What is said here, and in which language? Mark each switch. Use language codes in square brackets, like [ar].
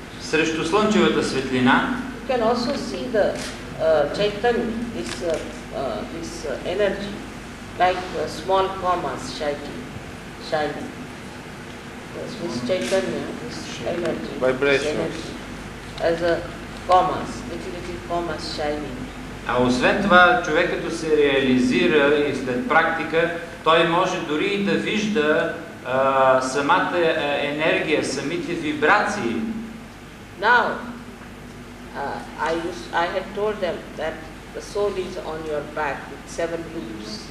[bg] Срещу слънчевата светлина. [en] You can also see the Chaitanya, this energy. Like small commas, shining. This Chaitanya, this energy. Vibrations. As a commas, little commas shining. [bg] А освен това, човек като се реализира и след практика, той може дори и да вижда самата енергия, самите вибрации. [en] Now, I had told them that the soul is on your back with seven loops.